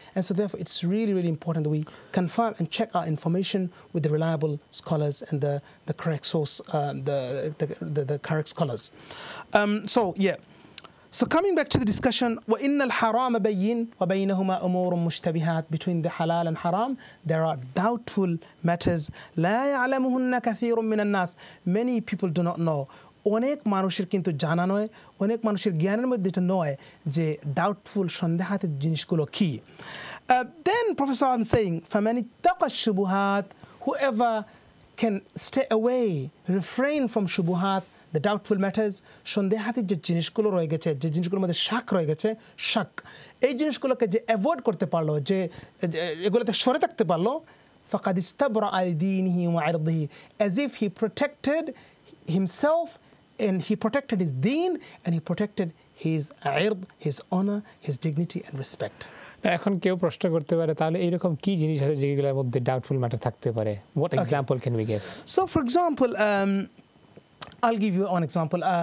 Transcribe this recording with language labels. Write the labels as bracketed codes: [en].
[en] And so therefore, it's really, really important that we confirm and check our information with the reliable scholars and the correct source, the correct scholars. So coming back to the discussion, [ar] وَإِنَّ الْحَرَامَ بَيِّنَ وَبَيْنَهُمَا أُمُورٌ مُشْتَبِهَاتٌ. [en] Between the halal and haram, there are doubtful matters. [ar] لَا يَعْلَمُهُنَّ كَثِيرٌ مِّنَ النَّاسِ. [en] Many people do not know. [bn] অনেক মানুষের কিন্তু জানা নয়, অনেক মানুষের জ্ঞানের মধ্যে এটা নয় যে doubtful, সন্দেহাতীত জিনিসগুলো কি। [en] Then Professor, I'm saying, [ar] فَمَنِ اتَّقَ الشُّبُهَاتِ. [en] Whoever can stay away, refrain from shubuhat, the doubtful matters, [bn] সন্দেহাতীত যে জিনিসগুলো রয়ে গেছে, যে জিনিসগুলোর মধ্যে শাক রয়ে গেছে, শাক, এই জিনিসগুলোকে যে অ্যাভয়েড করতে পারলো, যে এগুলোতে সরে থাকতে পারলো, [ar] ফাকাদ ইস্তাবরা আলিদিনহি ওয়া আরদিহি, [en] As if he protected himself and he protected his দিন and he protected his আরদ, his honour, his dignity and respect. [bn] এখন কেউ প্রশ্ন করতে পারে, তাহলে এইরকম কী জিনিস আছে যেগুলোর মধ্যে ডাউটফুল ম্যাটার থাকতে পারে? [en] What example can we give? So for example, I'll give you one example.